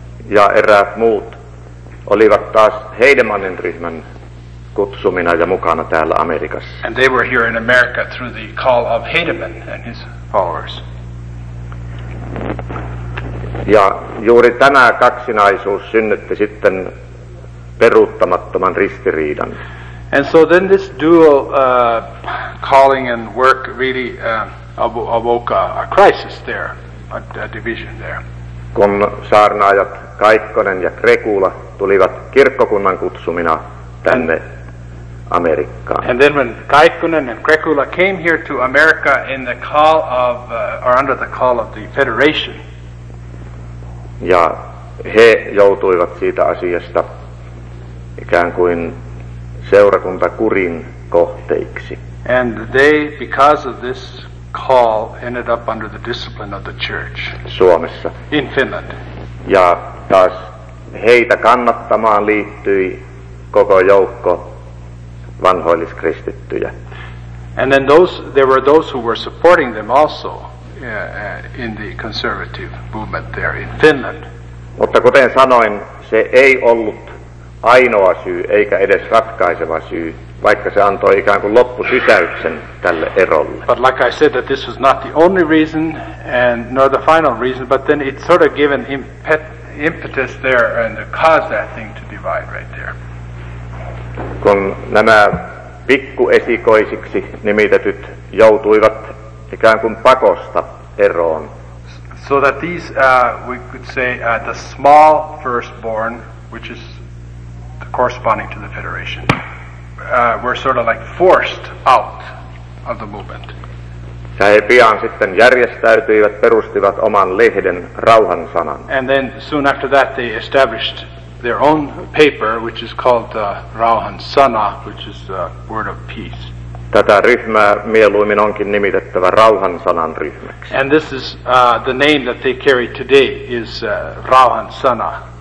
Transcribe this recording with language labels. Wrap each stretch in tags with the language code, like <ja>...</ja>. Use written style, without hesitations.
<fi>Ja eräät muut olivat taas Heidemannin ryhmän kutsumina ja mukana täällä Amerikassa.</fi> <en>And they were here in America through the call of Heidemann and his followers.</en> <fi>Ja juuri tämä kaksinaisuus synnytti sitten peruuttamattoman ristiriidan.</fi> <en>And so then this dual calling and work really awoke a crisis there, a division there.</en> <fi>Kun saarnaajat Kaikkonen ja Krekula tulivat kirkkokunnan kutsumina tänne Amerikkaan.</fi> <en>And then when Kaikkonen and Krekula came here to America in the call of or under the call of the Federation.</en> <fi>Ja he joutuivat siitä asiasta ikään kuin seurakuntakurin kohteiksi.</fi> <en>And they, because of this call, ended up under the discipline of the church.</en> <fi>Suomessa.</fi> <en>In Finland.</en> <fi>Ja taas heitä kannattamaan liittyi koko joukko vanhoilliskristittyjä.</fi> <en>And then there were those who were supporting them also in the conservative movement there in Finland.</en> <fi>Mutta kuten sanoin, se ei ollut ainoa syy, eikä edes ratkaiseva syy, vaikka se antoi ikään kuin loppusysäyksen tälle erolle.</fi> <en>But like I said, that this was not the only reason, and nor the final reason, but then it sort of given impetus there and caused that thing to divide right there.</en> <fi>Kun nämä pikkuesikoisiksi nimitetyt joutuivat ikään kuin pakosta eroon.</fi> <en>So that these, we could say, the small firstborn, which is corresponding to the Federation, were sort of like forced out of the movement.</en> <fi>Ja he pian sitten järjestäytyivät, perustivat oman lehden Rauhan sanan.</fi> <en>And then soon after that they established their own paper, which is called the Rauhan Sana, which is the Word of Peace.</en> <fi>Tätä ryhmää mieluummin onkin nimitettävä Rauhan sanan ryhmäksi.</fi> <en>And this is the name that they carry today is Rauhan Sana.</en>